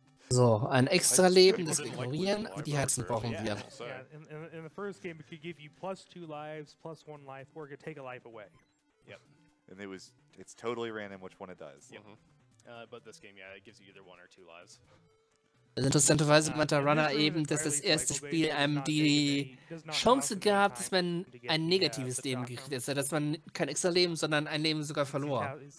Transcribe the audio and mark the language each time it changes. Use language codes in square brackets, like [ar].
[de] So, ein extra Leben, das ignorieren, und die Herzen brauchen wir. [en] Yeah, in the first game it could give you plus two lives, plus one life, or it could take a life away. Yep. And it's totally random which one it does. Yep. Mm-hmm. But this game, yeah, it gives you either one or two lives. [de] Interessanterweise meinte der Runner eben, dass das erste Spiel einem die Chance gab, dass man ein negatives Leben gekriegt hat. Dass man kein extra Leben, sondern ein Leben sogar verlor.